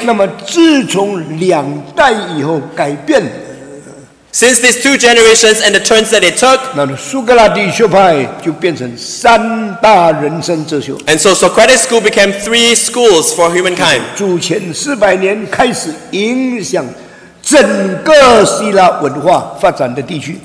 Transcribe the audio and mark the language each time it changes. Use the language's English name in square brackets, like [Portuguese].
[Chinese] 那么自从两代以后改变, [English] since these two generations and the turns that it took, [Chinese] 那么苏格拉底学派就变成三大人生哲学, [English] and so Socratic school became three schools for humankind. [Chinese] 主前400年开始影响 整个希腊文化发展的地区,